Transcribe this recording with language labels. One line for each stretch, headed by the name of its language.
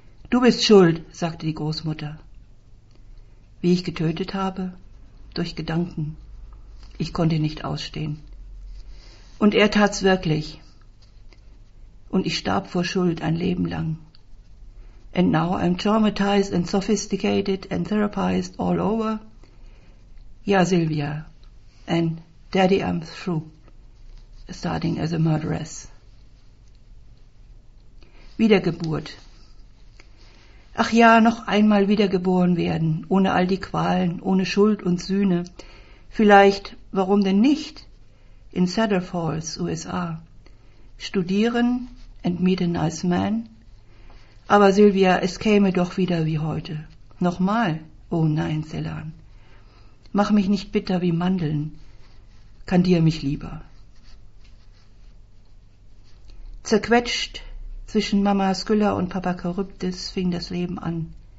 German: Du bist schuld, sagte die Großmutter. Wie ich getötet habe? Durch Gedanken. Ich konnte nicht ausstehen. Und er tat's wirklich. Und ich starb vor Schuld ein Leben lang.
English: And now I'm traumatized and sophisticated and therapized all over.
German: Ja, Sylvia.
English: And daddy, I'm through. Starting as a murderess.
German: Wiedergeburt. Ach ja, noch einmal wiedergeboren werden, ohne all die Qualen, ohne Schuld und Sühne. Vielleicht, warum denn nicht? In Cedar Falls, USA. Studieren
English: and meet a nice man.
German: Aber Sylvia, es käme doch wieder wie heute. Nochmal, oh nein, Selan. Mach mich nicht bitter wie Mandeln. Kann dir mich lieber. Zerquetscht. Zwischen Mama Skylla und Papa Charybdis fing das Leben an.